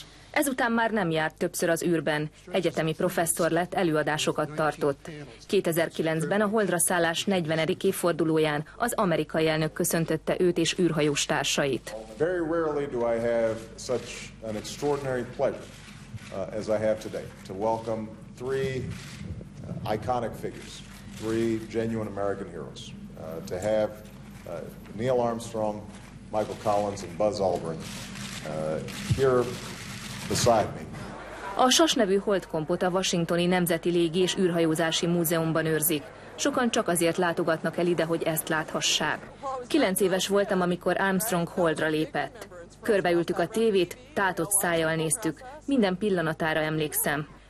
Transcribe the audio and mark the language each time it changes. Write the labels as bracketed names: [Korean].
[Hungarian] Ezután már nem járt többször az űrben. Egyetemi professzor lett, előadásokat tartott. 2009-ben a holdra szállás 40. évfordulóján az amerikai elnök köszöntötte őt és űrhajós társait. [English] as I have today, to welcome three iconic figures, three genuine American heroes, to have Neil Armstrong, Michael Collins, and Buzz Aldrin here beside me. [Hungarian] A SAS nevű holdkompot a Washingtoni Nemzeti Légi és Űrhajózási Múzeumban őrzik. Sokan csak azért látogatnak el ide, hogy ezt láthassák. 9 éves voltam, amikor Armstrong holdra lépett. Körbeültük a tévét, tátott szájjal néztük. Minden pillanatára emlékszem.